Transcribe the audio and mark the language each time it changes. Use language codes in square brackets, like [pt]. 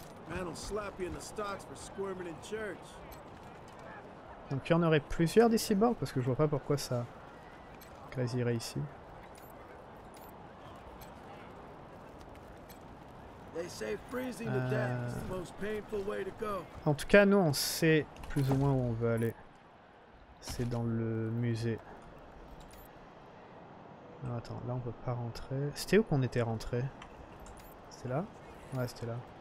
[en] Man will slap you in the stocks for squirming in church. [fr] Donc il y en aurait plusieurs des cyborgs parce que je vois pas pourquoi ça grésirait ici. [en] They say freezing to death is the most painful way to go. [fr] En tout cas, nous on sait plus ou moins où on veut aller. C'est dans le musée. Alors, attends, là on peut pas rentrer. C'était où qu'on était rentré? C'était là? Ouais, c'était là.